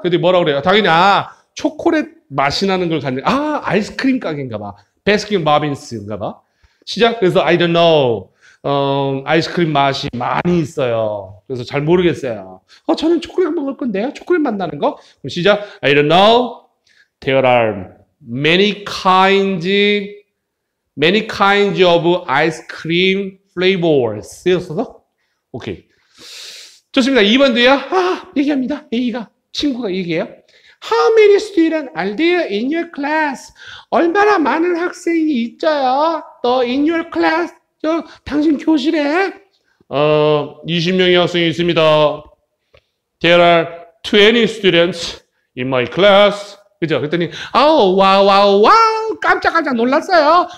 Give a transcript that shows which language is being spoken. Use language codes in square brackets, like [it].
[ko] 그랬더니 뭐라고 그래요? 당연히 아, 초콜릿 맛이 나는 걸 가지. 아, 아이스크림 가게인가 봐. 베스킨 로빈스인가 봐. 시작. 그래서 [en] I don't know. [ko] 아이스크림 맛이 많이 있어요. 그래서 잘 모르겠어요. 어, 저는 초콜릿 먹을 건데요. 초콜릿 만나는 거. 그럼 시작. [en] I don't know. There are many kinds of ice cream flavors. [ko] 였어서? 오케이. 좋습니다. 2번도요. 아, 얘기합니다. A가. 친구가 얘기해요. [en] How many students are there in your class? [ko] 얼마나 많은 학생이 있어요? 너 [en] in your class? [ko] 저 당신 교실에 20명의 학생이 있습니다. [en] There are 20 students in my class. [ko] 그죠? 그랬더니 아우 와우 깜짝깜짝 놀랐어요.